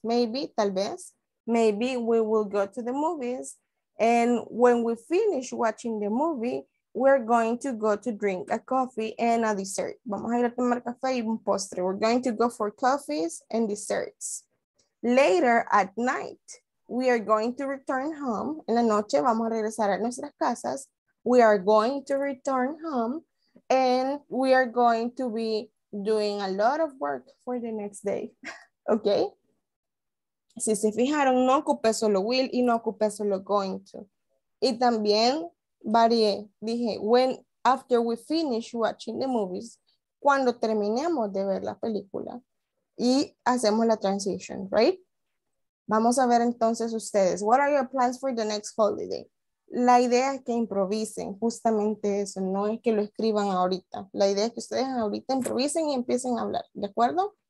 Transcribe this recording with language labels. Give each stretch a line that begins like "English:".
English: Maybe,
Spanish: tal vez,
English: maybe we will go to the movies. And when we finish watching the movie, we're going to go to drink a coffee and a dessert.
Spanish: Vamos a ir a tomar café y un postre.
English: We're going to go for coffees and desserts. Later at night, we are going to return home.
Spanish: En la noche vamos a regresar a nuestras casas.
English: We are going to return home and we are going to be doing a lot of work for the next day. Okay?
Spanish: Si se fijaron, no ocupé solo will y no ocupé solo going to. Y también varié, dije,
English: when after we finish watching the movies,
Spanish: cuando terminemos de ver la película y hacemos la transition, right? Vamos a ver entonces ustedes,
English: what are your plans for the next holiday?
Spanish: La idea es que improvisen, justamente eso, no es que lo escriban ahorita. La idea es que ustedes ahorita improvisen y empiecen a hablar, ¿de acuerdo?